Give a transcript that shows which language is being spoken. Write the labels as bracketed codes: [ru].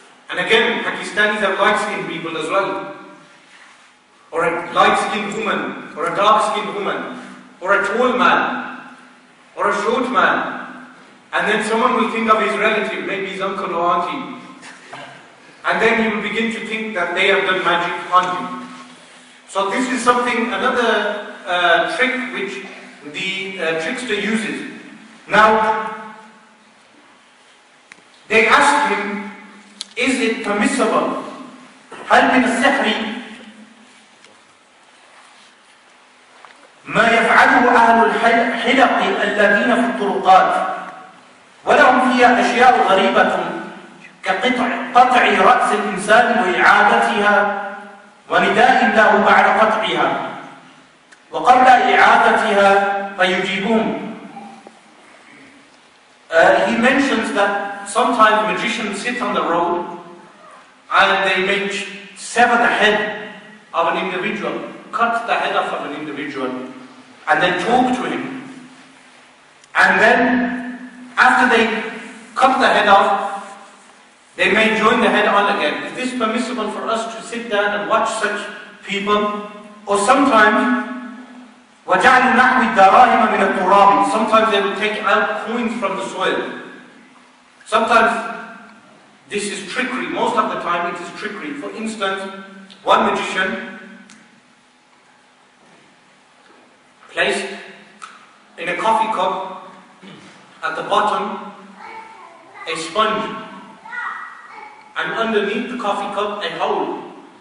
[en] And again, Pakistanis have light-skinned people as well. Or a light-skinned woman, or a dark-skinned woman, or a tall man, or a short man, and then someone will think of his relative, maybe his uncle or auntie, and then he will begin to think that they have done magic on him. So this is something, another trick which the trickster uses. Now, they ask him, is it permissible? [ar] Hal min as-sihri ما يفعله أهل الحلق الذين في الطرقات ولهم فيها أشياء غريبة كقطع رأس الإنسان وإعادتها ونداء له بعد قطعها وقبل إعادتها فيجيبون. [en] He mentions that sometimes magicians sit on the road and they may sever the head of an individual, cut the head off of an individual, and then talk to him. And then, after they cut the head off, they may join the head on again. Is this permissible for us to sit down and watch such people? Or sometimes, [ar] وَجَعْلُ نَعْوِ الدَّرَاهِمَ مِنَ الْقُرَابِ. [en] Sometimes they will take out coins from the soil. Sometimes, this is trickery. Most of the time, it is trickery. For instance, one magician placed in a coffee cup, at the bottom, a sponge, and underneath the coffee cup, a hole.